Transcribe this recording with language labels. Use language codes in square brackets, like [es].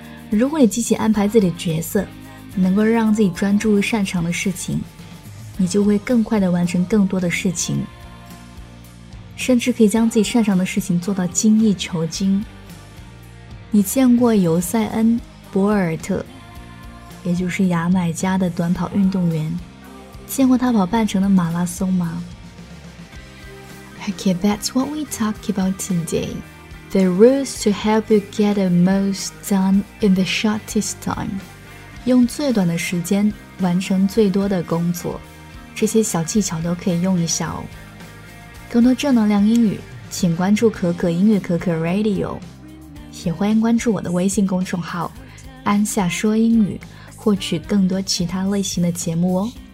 [zh] 如果你积极安排自己的角色，能够让自己专注于擅长的事情，你就会更快地完成更多的事情，甚至可以将自己擅长的事情做到精益求精。你见过尤塞恩·博尔特，也就是牙买加的短跑运动员，见过他跑半程的马拉松吗？ [en] Okay, that's what we talk about today. The rules to help you get the most done in the shortest time. [zh] 用最短的时间完成最多的工作，这些小技巧都可以用一下哦。更多正能量英语，请关注可可英语可可 Radio， 也欢迎关注我的微信公众号安夏说英语，获取更多其他类型的节目哦。